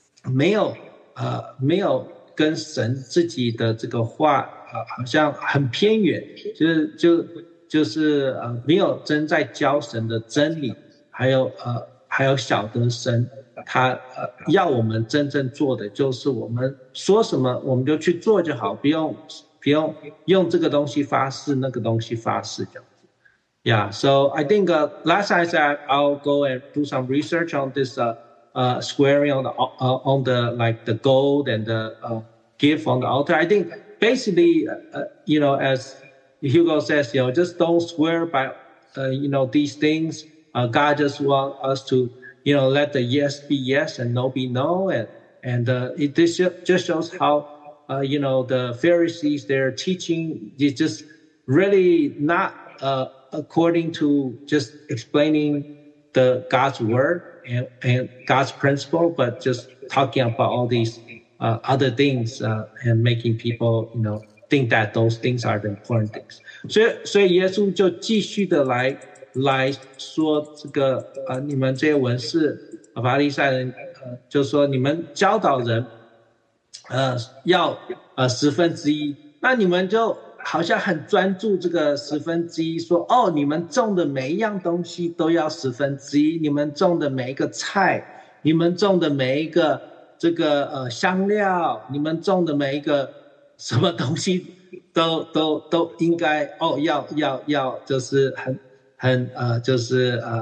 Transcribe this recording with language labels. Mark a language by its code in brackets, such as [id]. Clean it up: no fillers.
[zh] 没有跟神自己的这个话好像很偏远，就是没有真在教神的真理，还有晓得神他要我们真正做的，就是我们说什么我们就去做就好，不用用这个东西发誓，那个东西发誓，这样子。 [en] Yeah, so I think last time I said I'll go and do some research on this squaring on the like the gold and the gift on the altar. I think basically you know, as Hugo says, you know, just don't swear by, you know, these things. God just wants us to, you know, let the yes be yes and no be no. This just shows how, you know, the Pharisees, their teaching is just really not according to just explaining the God's word and God's principle, but just talking about all these other things and making people, you know,think that those things are the important things. [zh] 所以耶稣就继续的来说这个你们这些文士法利赛人就说你们教导人要十分之一，那你们就好像很专注这个十分之一，说哦，你们种的每一样东西都要十分之一，你们种的每一个菜，你们种的每一个这个香料，你们种的每一个什么东西都应该哦，要就是很就是